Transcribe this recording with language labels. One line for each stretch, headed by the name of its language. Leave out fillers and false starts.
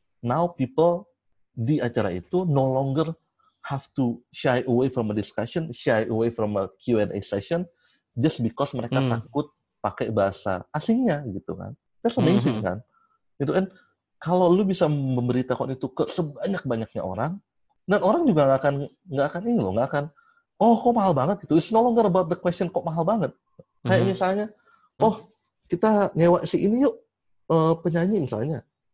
English: Now people
Indonesian: di acara itu
English: no longer have to shy away from a discussion, shy away from a Q&A session, just because
Indonesian: mereka takut pakai bahasa asingnya, gitu kan?
English: That's amazing, kan? Gitu kan?
Indonesian: Kalau lu bisa memberitahukan itu ke sebanyak-banyaknya orang, dan orang juga nggak akan ini loh, nggak akan, oh kok mahal banget itu.
English: It's no longer about the question
Indonesian: kok mahal banget. Kayak misalnya, oh kita nyewa si ini yuk, penyanyi misalnya.